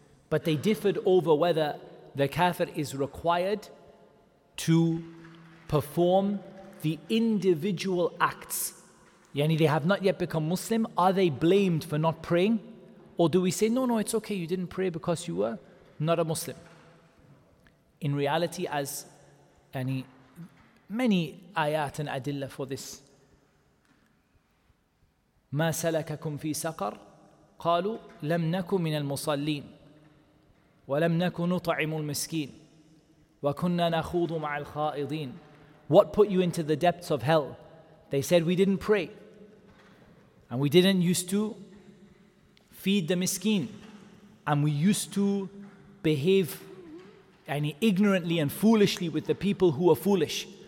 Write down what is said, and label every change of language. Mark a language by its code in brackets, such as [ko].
[en] But they differed over whether the kafir is required to perform the individual acts, yani they have not yet become Muslim, are they blamed for not praying? Or do we say, no, no, it's okay, you didn't pray because you were not a Muslim? In reality, as any many ayat and adilla for this, [ar] ما سلككم في سقر قالوا لم نكن من المصلين ولم نكن نطعم المسكين وكنا نخوض مع الخائضين. [en] What put you into the depths of hell? They said, we didn't pray and we didn't used to feed the miskin, and we used to behave any ignorantly and foolishly with the people who are foolish.